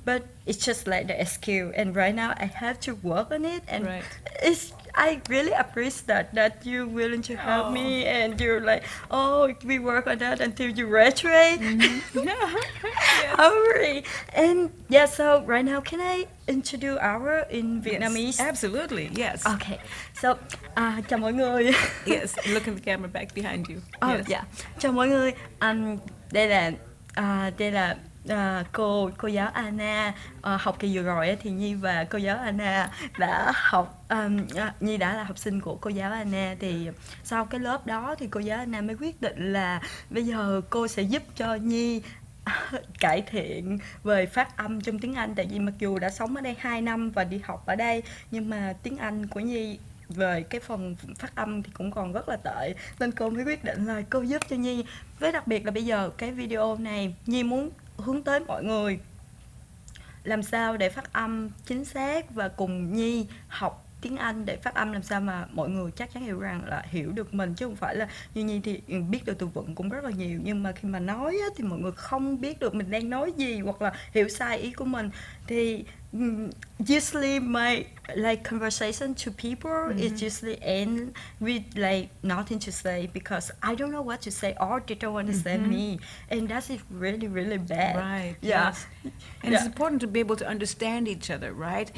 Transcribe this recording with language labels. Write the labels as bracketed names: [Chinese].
[English] but it's just like the excuse, and right now I have to work on it, and I really appreciate that you're willing to help me, and you're like, oh, we work on that until you graduate. Mm-hmm. Yes. Hurry. And yeah, so right now, can I introduce our in Vietnamese? Yes, absolutely, yes. Okay, so, [Vietnamese] chào mọi người. [English] Yes, look at the camera back behind you. Oh, yes. Yeah. [Vietnamese] Chào mọi người, đây là cô giáo Anna, học kỳ vừa rồi thì Nhi và cô giáo Anna đã học, Nhi đã là học sinh của cô giáo Anna, thì sau cái lớp đó thì cô giáo Anna mới quyết định là bây giờ cô sẽ giúp cho Nhi cải thiện về phát âm trong tiếng Anh, tại vì mặc dù đã sống ở đây 2 năm và đi học ở đây nhưng mà tiếng Anh của Nhi về cái phần phát âm thì cũng còn rất là tệ, nên cô mới quyết định là cô giúp cho Nhi. Với đặc biệt là bây giờ cái video này Nhi muốn hướng tới mọi người làm sao để phát âm chính xác và cùng Nhi học tiếng Anh để phát âm làm sao mà mọi người chắc chắn hiểu rằng là hiểu được mình, chứ không phải là như Nhi thì biết được từ vựng cũng rất là nhiều nhưng mà khi mà nói á, thì mọi người không biết được mình đang nói gì hoặc là hiểu sai ý của mình. [English] Thì usually my like conversation to people, mm-hmm. is usually end with like nothing to say because I don't know what to say or they don't understand mm-hmm. me, and that is really really bad. Right. Yes. It's important to be able to understand each other, right?